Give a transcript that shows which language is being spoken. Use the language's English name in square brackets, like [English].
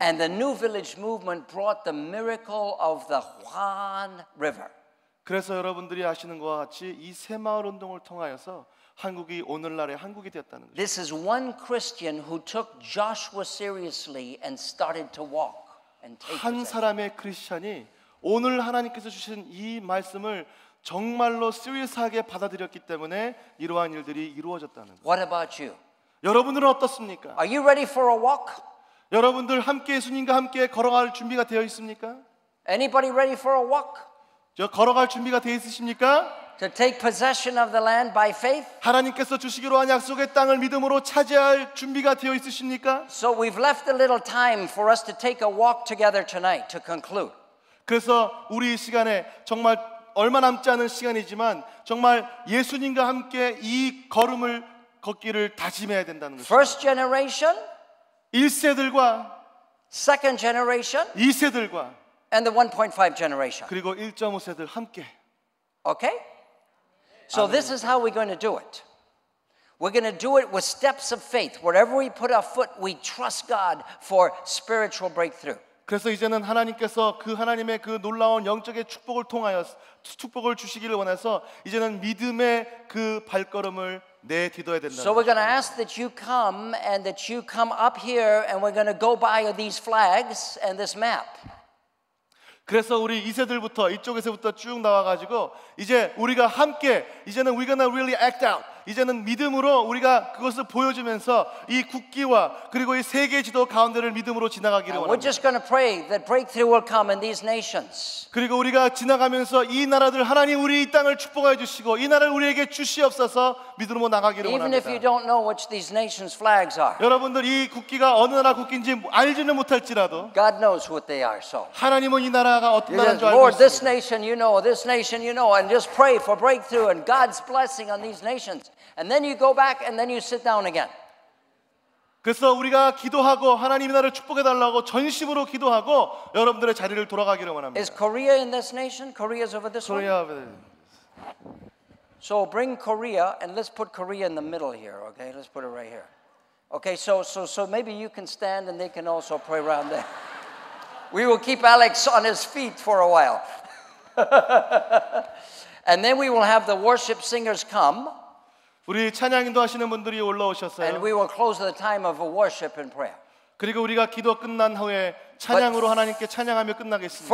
[English] And the New Village Movement brought the miracle of the Hwan River. [Korean] 그래서 여러분들이 아시는 것과 같이 이 새마을 운동을 통하여서 한국이 오늘날의 한국이 되었다는 거죠. [English] This is one Christian who took Joshua seriously and started to walk and take it. [Korean] 한 사람의 크리스천이 오늘 하나님께서 주신 이 말씀을 정말로 seriously하게 받아들였기 때문에 이러한 일들이 이루어졌다는 거죠. [English] What about you? [Korean] 여러분들은 어떻습니까? [English] Are you ready for a walk? [Korean] 여러분들 함께 예수님과 함께 걸어갈 준비가 되어 있습니까? [English] Anybody ready for a walk? [Korean] 저 걸어갈 준비가 되어 있으십니까? [English] To take possession of the land by faith? [Korean] 하나님께서 주시기로 한 약속의 땅을 믿음으로 차지할 준비가 되어 있으십니까? [English] So we've left a little time for us to take a walk together tonight to conclude. [Korean] 그래서 우리 시간에 정말 얼마 남지 않은 시간이지만 정말 예수님과 함께 이 걸음을 걷기를 다짐해야 된다는 것입니다. [English] First generation? [Korean] 1세들과 [English] Second generation? [Korean] 2세들과 [English] And the 1.5 generation. [Korean] 그리고 1.5세들 함께. [English] Okay? So this is how we're going to do it. We're going to do it with steps of faith. Wherever we put our foot, we trust God for spiritual breakthrough. [Korean] 그래서 이제는 하나님께서 그 하나님의 그 놀라운 영적의 축복을 통하여 축복을 주시기를 원해서 이제는 믿음의 그 발걸음을 내딛어야 된다. [English] So we're going to ask that you come and that you come up here and we're going to go by these flags and this map. [Korean] 그래서 우리 2세들부터 이쪽에서부터 쭉 나와가지고 이제 우리가 함께 이제는 [English] we're gonna really act out [Korean] 이제는 믿음으로 우리가 그것을 보여주면서 이 국기와 그리고 이 세계 지도 가운데를 믿음으로 지나가기를 원합니다. [English] We're just gonna pray that breakthrough will come in these nations. [Korean] 그리고 우리가 지나가면서 이 나라들 하나님 우리 이 땅을 축복하여 주시고 이 나라를 우리에게 주시옵소서 믿음으로 나가기를 [English] Even [Korean] 원합니다. [English] Even if you don't know which these nations' flags are. [Korean] 여러분들 이 국기가 어느 나라 국기인지 알지는 못할지라도 [English] God knows what they are. So. [Korean] 하나님은 이 나라가 어떤 나라인 줄 알고 있습니다. [English] Lord, this nation you know, this nation you know, and just pray for breakthrough and God's blessing on these nations. And then you go back and then you sit down again. 그래서 우리가 기도하고 하나님 나라를 축복해 달라고 전심으로 기도하고 여러분들의 자리를 돌아가기를 원합니다. Is Korea in this nation? Korea's over this Korea one. So bring Korea and let's put Korea in the middle here, okay? Let's put it right here. Okay, so maybe you can stand and they can also pray around there. We will keep Alex on his feet for a while. And then we will have the worship singers come. [Korean] 우리 찬양 인도하시는 분들이 올라오셨어요. [English] And we will close the time of worship and prayer. [Korean] 그리고 우리가 기도 끝난 후에 찬양으로 But 하나님께 찬양하며 끝나겠습니다.